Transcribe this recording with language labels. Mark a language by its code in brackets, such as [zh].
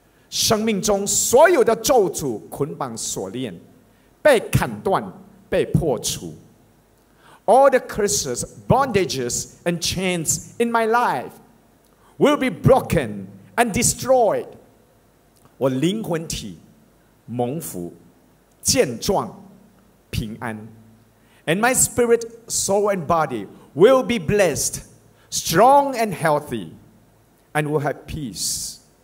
[zh] 生命中所有的咒诅、捆绑、锁链被砍断、被破除。 [en] All the curses, bondages and chains in my life will be broken and destroyed. [zh] 我灵魂体蒙福、健壮、平安。 [en] And my spirit, soul and body will be blessed, strong and healthy, and will have peace.